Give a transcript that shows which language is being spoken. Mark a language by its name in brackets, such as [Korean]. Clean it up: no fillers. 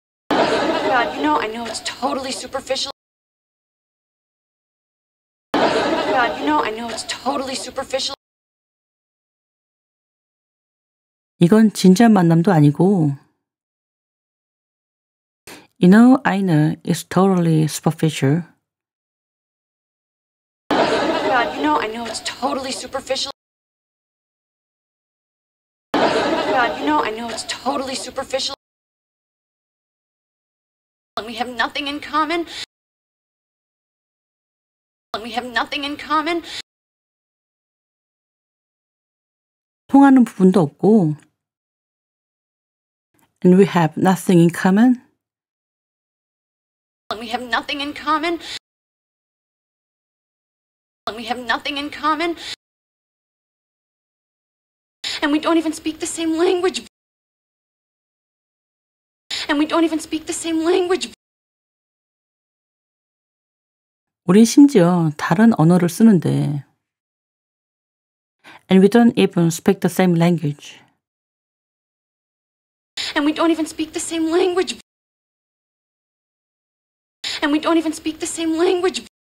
[English] God, you know, I know it's totally superficial. God, you know, I know it's totally superficial. [Korean] 이건 진지한 만남도 아니고. [English] You know, I know it's totally superficial. God, you know, I know it's totally superficial. God, you know, I know it's totally superficial. And we have nothing in common. And we have nothing in common. [Korean] 통하는 부분도 없고. [English] And we have nothing in common. And we have nothing in common. And we have nothing in common. And we don't even speak the same language. And we don't even speak the same language. [Korean] 우린 심지어 다른 언어를 쓰는데. [English] And we don't even speak the same language. And we don't even speak the same language. And we don't even speak the same language.